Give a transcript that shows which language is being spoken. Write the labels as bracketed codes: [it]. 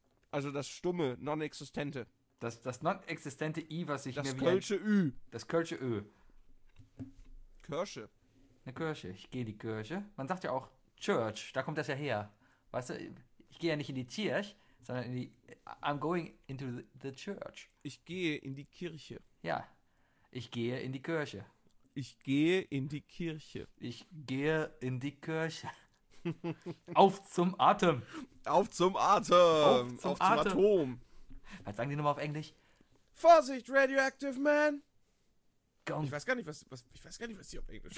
[de] Also das stumme, non-existente. Das non-existente I, was ich das mir... Das kölsche Ü. Das kölsche Ö. Kirsche. Eine Kirsche. Ich gehe in die Kirche. Man sagt ja auch Church. Da kommt das ja her. Weißt du, ich gehe ja nicht in die Kirche. Sondern in die, [en] I'm going into the church. [de] Ich gehe in die Kirche. Ja, ich gehe in die Kirche. Ich gehe in die Kirche. Ich gehe in die Kirche. Auf zum Atem. Auf zum Atem. Auf zum Atom. Was sagen die nochmal auf Englisch? Vorsicht, Radioactive Man. Ich weiß gar nicht, was die auf Englisch